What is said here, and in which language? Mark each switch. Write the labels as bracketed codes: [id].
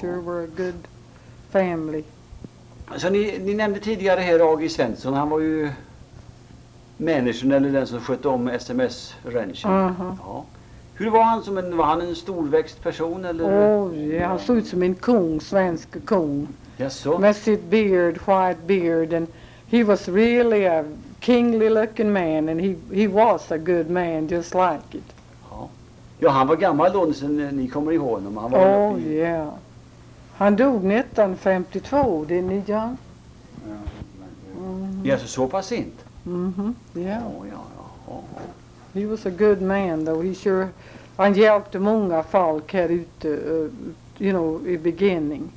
[en] Sure, we're a good family. [sv] Så ni nämnde tidigare här Agi Svensson, han var ju managern eller den som skötte om SMS-ranchen. Uh-huh. Ja. Hur var han som en, var han en storväxt person eller? [en] Oh, yeah. [sv] Han såg ut som en kung, svensk kung. [en] Yes, so. [sv] Med sitt [en] beard, white beard, and he was really a kingly looking man, and he was a good man, just like it. [sv] Ja, han var gammal då, sen ni kommer ihåg honom. Han var Han dog 1952, det är ni, ja. Mm-hmm. Ja, så pass sent. [en] Mm-hmm, yeah. [sv] Ja. [en] He was a good man, though, he sure, [sv] han hjälpte många folk här ute, [en] you know, i beginning.